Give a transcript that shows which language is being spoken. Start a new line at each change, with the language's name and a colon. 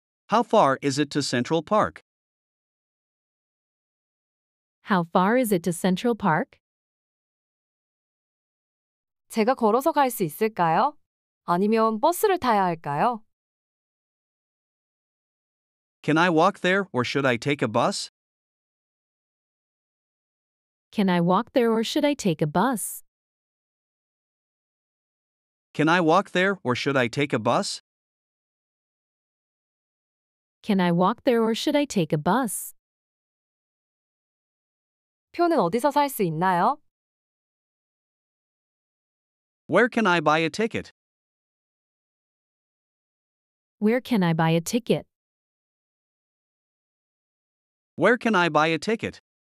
English: How far is it to Central Park? How far is it to Central Park?
Korean: 제가 걸어서 갈 수 있을까요? 아니면 버스를 타야 할까요?
English: Can I walk there or should I take a bus? Can I walk there or should I take a bus? Can I walk there or should I take a bus? Can I walk there or should I take a bus?
Korean: 표는 어디서 살 수 있나요?
English: Where can I buy a ticket? Where can I buy a ticket? Where can I buy a ticket?